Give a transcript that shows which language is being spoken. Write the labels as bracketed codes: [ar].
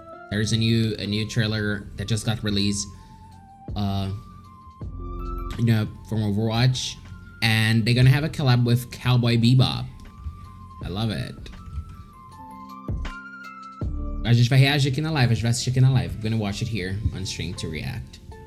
[en] There's a new trailer that just got released from Overwatch. And they're gonna have a collab with Cowboy Bebop. I love it. [pt] A gente vai reagir aqui na live, a gente vai assistir aqui na live. [en] We're gonna watch it here on stream to react.